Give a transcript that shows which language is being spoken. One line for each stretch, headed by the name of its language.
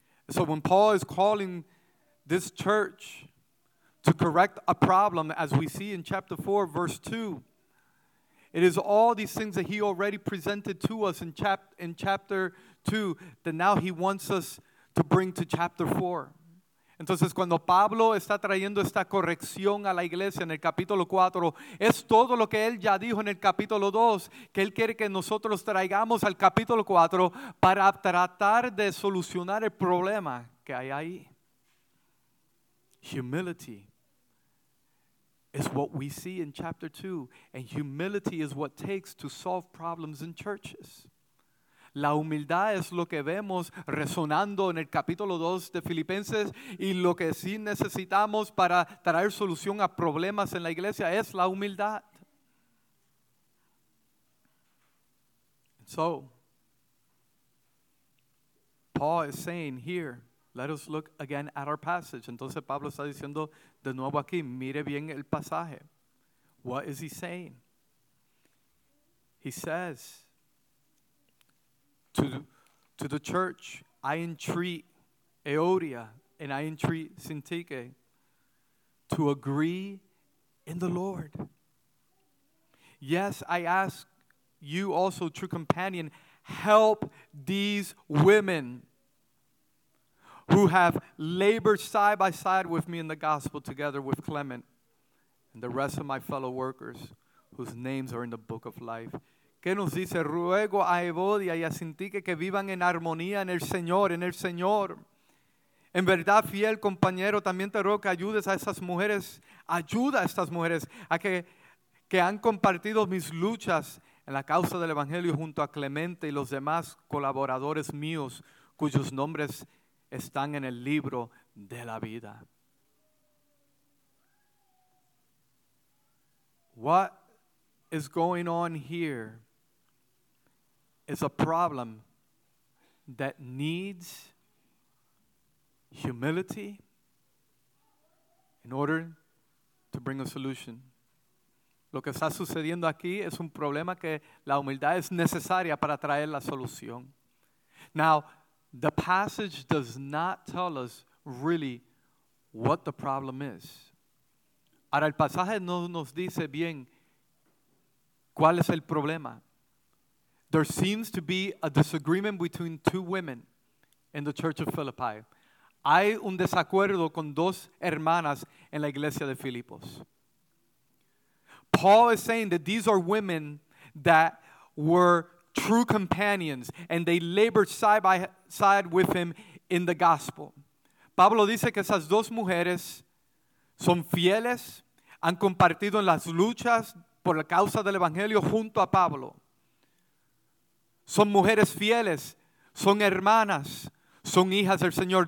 English: So when Paul is calling this church to correct a problem, as we see in chapter 4, verse 2, it is all these things that he already presented to us in chapter 2 that now he wants us to bring to chapter 4.
Spanish: Entonces, cuando Pablo está trayendo esta corrección a la iglesia en el capítulo 4, es todo lo que él ya dijo en el capítulo 2, que él quiere que nosotros traigamos al capítulo 4 para tratar de solucionar el problema que hay ahí.
English: Humility is what we see in chapter 2, and humility is what takes to solve problems in churches.
Spanish: La humildad es lo que vemos resonando en el capítulo 2 de Filipenses, y lo que sí necesitamos para traer solución a problemas en la iglesia es la humildad.
English: So, Paul is saying here, let us look again at our passage.
Spanish: Entonces Pablo está diciendo de nuevo aquí, mire bien el pasaje.
English: What is he saying? He says, To the church, I entreat Euodia and I entreat Syntyche to agree in the Lord. Yes, I ask you also, true companion, help these women who have labored side by side with me in the gospel together with Clement and the rest of my fellow workers whose names are in the book of life.
Spanish: ¿Qué nos dice? Ruego a Euodia y a Syntyche que vivan en armonía en el Señor, en el Señor. En verdad, fiel compañero, también te ruego que ayudes a esas mujeres, ayuda a estas mujeres a que han compartido mis luchas en la causa del Evangelio junto a Clemente y los demás colaboradores míos cuyos nombres están en el libro de la vida.
English: What is going on here is a problem that needs humility in order to bring a solution.
Spanish: Lo que está sucediendo aquí es un problema que la humildad es necesaria para traer la solución.
English: Now, the passage does not tell us really what the problem is.
Spanish: Ahora, el pasaje no nos dice bien ¿cuál es el problema?
English: There seems to be a disagreement between two women in the church of Philippi.
Spanish: Hay un desacuerdo con dos hermanas en la iglesia de Filipos.
English: Paul is saying that these are women that were true companions and they labored side by side with him in the gospel.
Spanish: Pablo dice que esas dos mujeres son fieles, han compartido en las luchas por la causa del Evangelio junto a Pablo. Son mujeres fieles, son hermanas, son hijas del Señor.